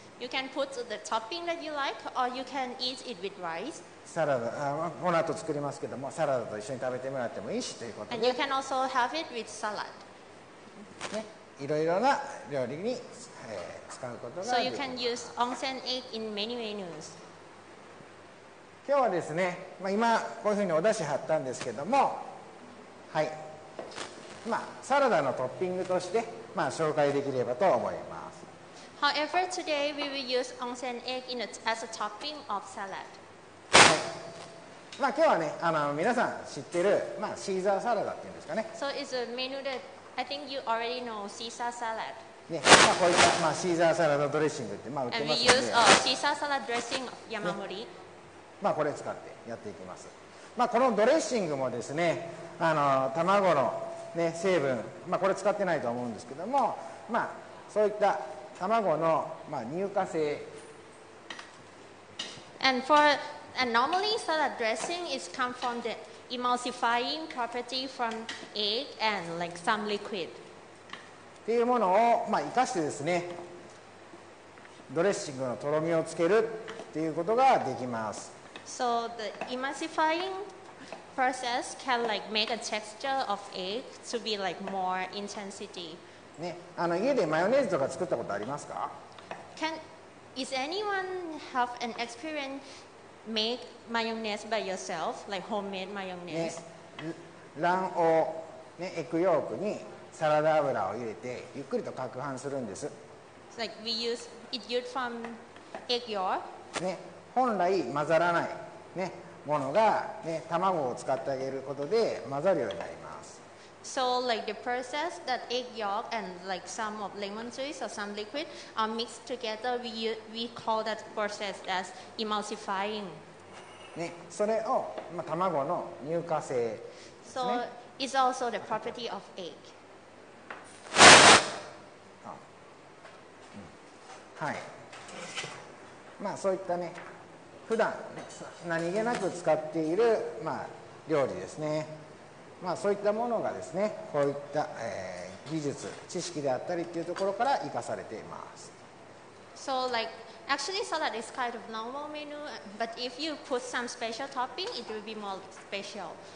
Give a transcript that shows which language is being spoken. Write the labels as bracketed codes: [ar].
[en] you can put the topping that you like, or you can eat it with rice. [ja] サラダ、この後作りますけども、サラダと一緒に食べてもらってもいいしということで、 [en] and you can also have it with salad. [ja] ね、いろいろな料理に、使うことができます。 [en] So you can use onsen egg in many menus. [ja] 今日はですね、まあ、今こういうふうにお出汁張ったんですけども、はい、まあ、サラダのトッピングとして、まあ、紹介できればと思います。 [en] However, today we will use onsen egg in a, as a topping of salad. はい。 [ja] まあ、今日はね、あの皆さん知ってる、まあ、シーザーサラダっていうんですかね。 [en] So it's a menu that I think you already know Caesar salad. [ja] ね、まあ、こういった、まあ、シーザーサラダドレッシングって、まあ、売ってますので。 [en] And we use a Caesar salad dressing [ja] 山盛り。ね、まあ、これ使ってやっていきます。まあ、このドレッシングもですね、あの卵の、ね、成分、まあ、これ使ってないと思うんですけども、まあ、そういった卵の、まあ、乳化性。 [en] And for and normally salad dressing is come from the emulsifying property from egg and like some liquid. [ja] っていうものを、まあ、生かしてですね、ドレッシングのとろみをつけるっていうことができます。 [en] So the emulsifying process can like make a texture of egg to be like more intensity. [ja] ね、あの家でマヨネーズとか作ったことありますか？ [en] Can is anyone have an experience make mayonnaise by yourself, like homemade mayonnaise? [ja] 卵黄、ね、エッグヨークにサラダ油を入れてゆっくりと攪拌するんです。 [en] It's like we use it used from egg yolk. ね。 [ja] 本来混ざらない、ね、ものが、ね、卵を使ってあげることで混ざるようになります。 [en] So like the process that egg yolk and like some of lemon juice or some liquid are mixed together, we call that process as emulsifying. [ja] ね、それを、まあ、卵の乳化性ですね。 [en] So it's also the property of egg. あ、うん、はい。 [ja] まあそういったね、普段、ね、何気なく使っている、まあ、料理ですね。まあそういったものがですね、こういった、技術、知識であったりっていうところから生かされています。 [en] So like... Actually, salad is kind of normal menu, but if you put some special topping, it will be more special.